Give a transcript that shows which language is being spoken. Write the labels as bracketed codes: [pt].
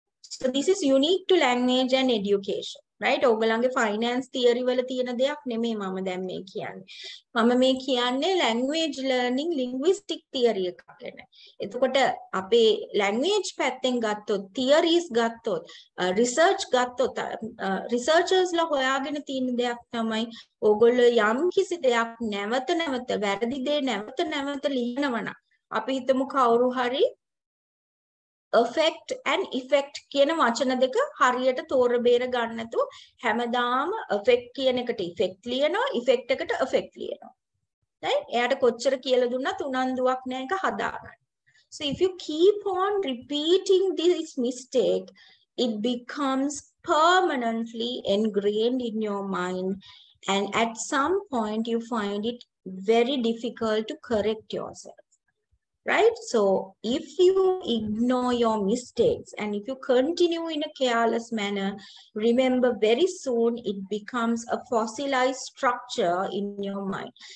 [en] So this is unique to language and education. [si] Right, ඔගලංගේ finance theory වල තියෙන දෙයක් නෙමෙයි මම දැන් මේ කියන්නේ. මම මේ කියන්නේ language learning linguistic theory එක ගැන. එතකොට අපේ language පැත්තෙන් ගත්තොත් theories ගත්තොත් research ගත්තොත් researchers ලා හොයාගෙන තියෙන දෙයක් තමයි ඕගොල්ලෝ යම් කිසි දෙයක් නැවත නැවත වැරදි දේ නැවත නැවත ලියනවා නම් අපි හිතමු කවුරු හරි affect and effect කියන වචන දෙක හරියට තෝර බේර ගන්න නැතුව හැමදාම affect කියන එකට effect ලියනවා effect එකට affect ලියනවා right එයාට කොච්චර කියලා දුන්නත් උනන්දුවක් නැහැ ඒක හදාගන්න [en] so if you keep on repeating this mistake it becomes permanently ingrained in your mind and at some point you find it very difficult to correct yourself Right? So if you ignore your mistakes and if you continue in a careless manner, remember very soon it becomes a fossilized structure in your mind.